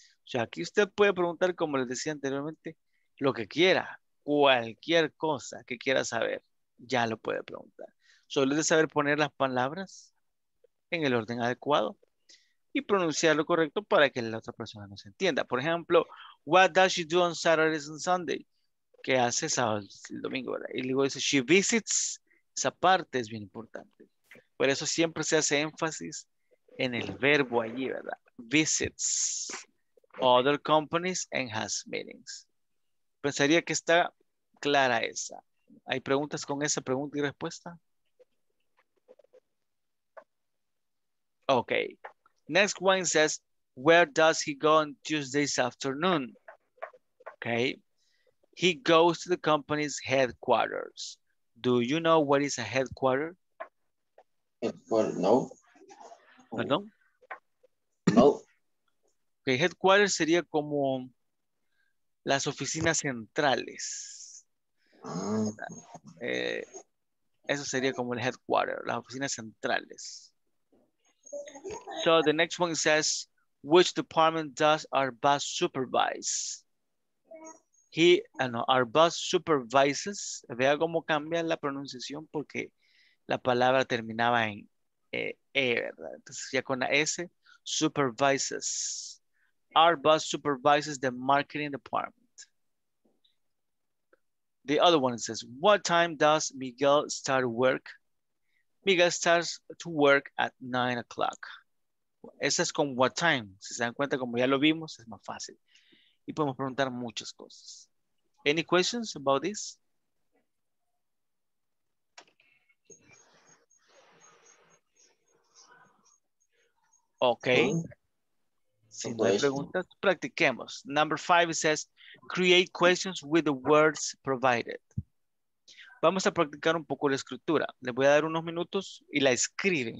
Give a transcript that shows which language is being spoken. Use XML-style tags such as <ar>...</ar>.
<es>O sea, aquí usted puede preguntar, como les decía anteriormente, lo que quiera, cualquier cosa que quiera saber, ya lo puede preguntar. Solo es de saber poner las palabras en el orden adecuado y pronunciar lo correcto para que la otra persona nos entienda. Por ejemplo,</es> <en>what does she do on Saturdays and Sunday?</en> <es>¿Qué hace sábado y domingo, ¿verdad? Y luego dice,</es> <en>she visits.</en> <es>Esa parte es bien importante. Por eso siempre se hace énfasis en el verbo allí, ¿verdad?</es> <en>Visits other companies and has meetings.</en> <es>Pensaría que está clara esa. ¿Hay preguntas con esa pregunta y respuesta? Ok.</es> <en>Next one says, where does he go on Tuesday's afternoon? Ok. He goes to the company's headquarters. Do you know what is a headquarter? No.</en> <es>¿Perdón? No. Ok, headquarters sería como las oficinas centrales. Eso sería como el headquarter, las oficinas centrales.</es> <en>So the next one says, which department does our boss supervise? Our boss supervises.</en> <es>Vea cómo cambia la pronunciación porque la palabra terminaba en E, ¿verdad? Entonces ya con la S, supervises.</es> <en>Our boss supervises the marketing department. The other one says, what time does Miguel start work? Miguel starts to work at 9 o'clock.</en> <es>Esa es con</es> <en>what time.</en> <es>Si se dan cuenta, como ya lo vimos, es más fácil. Y podemos preguntar muchas cosas.</es> <en>Any questions about this?</en> <es>Okay. Si no hay preguntas, practiquemos.</es> <en>Number 5 says, create questions with the words provided.</en> <es>Vamos a practicar un poco la escritura. Les voy a dar unos minutos y la escriben.</es>